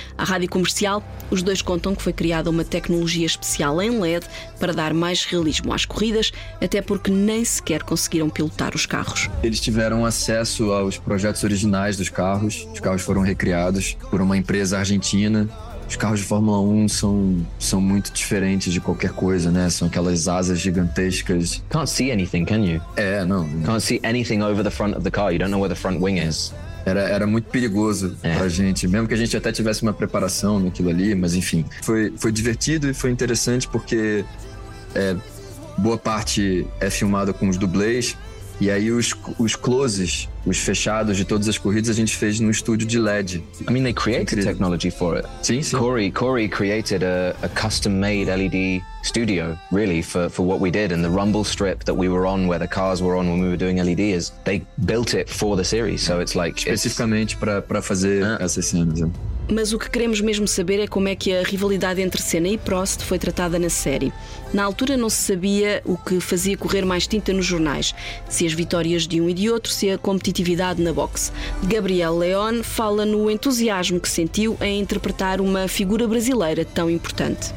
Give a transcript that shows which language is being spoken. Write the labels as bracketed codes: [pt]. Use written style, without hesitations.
[pt] À rádio comercial, os dois contam que foi criada uma tecnologia especial em LED para dar mais realismo às corridas, até porque nem sequer conseguiram pilotar os carros. Eles tiveram acesso aos projetos originais dos carros. Os carros foram recriados por uma empresa argentina. Os carros de Fórmula 1 são muito diferentes de qualquer coisa, né? São aquelas asas gigantescas. [en] Can't see anything, can you? [pt] É, não. [en] Can't see anything over the front of the car. You don't know where the front wing is. [pt] Era muito perigoso pra gente, mesmo que a gente até tivesse uma preparação naquilo ali, mas enfim. Foi divertido e foi interessante porque boa parte é filmada com os dublês. E aí os closes, os fechados de todas as corridas, a gente fez num estúdio de LED. [en] I mean, they created technology for it. [pt] Sim, sim. [en] Corey created a custom-made LED studio, really, for what we did. And the rumble strip that we were on, where the cars were on when we were doing LEDs, they built it for the series, so it's like... [pt] Especificamente para fazer essas cenas. Mas o que queremos mesmo saber é como é que a rivalidade entre Senna e Prost foi tratada na série. Na altura não se sabia o que fazia correr mais tinta nos jornais, se as vitórias de um e de outro, se a competitividade na boxe. Gabriel Leone fala no entusiasmo que sentiu em interpretar uma figura brasileira tão importante.